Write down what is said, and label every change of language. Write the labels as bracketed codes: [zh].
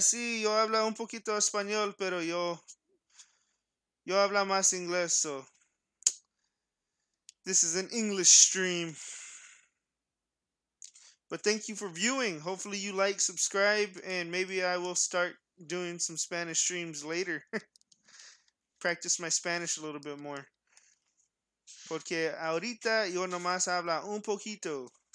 [es] Sí, yo hablo un poquito español, pero yo hablo más inglés, [en] so this is an English stream. But thank you for viewing. Hopefully you like, subscribe, and maybe I will start doing some Spanish streams later. Practice my Spanish a little bit more. [es] Porque ahorita yo nomás hablo un poquito.